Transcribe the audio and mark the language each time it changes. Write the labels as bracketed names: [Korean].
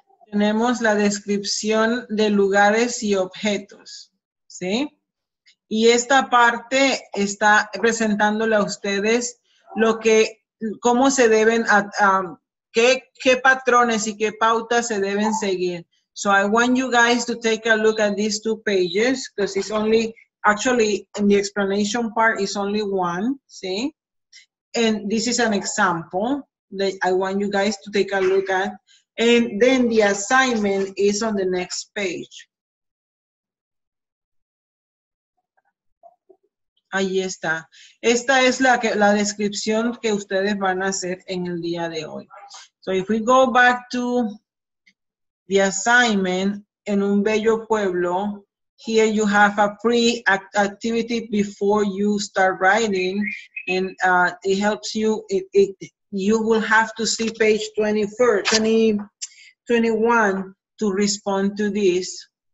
[Spanish] Tenemos la descripción de lugares y objetos, ¿sí? Y esta parte está presentándole a ustedes lo que, cómo se deben, qué patrones y qué pautas se deben seguir. [English] So I want you guys to take a look at these two pages because it's only, actually, in the explanation part, it's only one, see? And this is an example that I want you guys to take a look at. And then the assignment is on the next page. [Spanish] Ahí está. Esta es la descripción que ustedes van a hacer en el día de hoy. [English] So if we go back to the assignment, [Spanish] en un bello pueblo, [English] here you have a pre-activity before you start writing, and it helps you, it, it, you will have to see page 21 to respond to this.